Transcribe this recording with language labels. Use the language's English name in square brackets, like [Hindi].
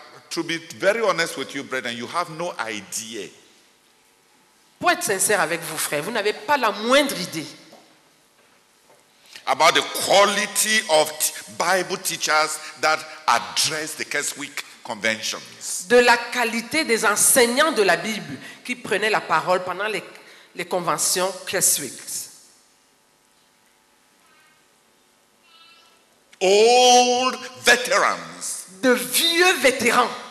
[English] To be very honest with you, brethren, you have no idea. [French] Pour être sincère avec vous, frère, vous n'avez pas la moindre idée. [English] About the quality of Bible teachers that address the case week conventions. [French] De la qualité des enseignants de la Bible qui prenaient la parole pendant les conventions case weeks. [English] Old veterans. [French] De vieux vétérans.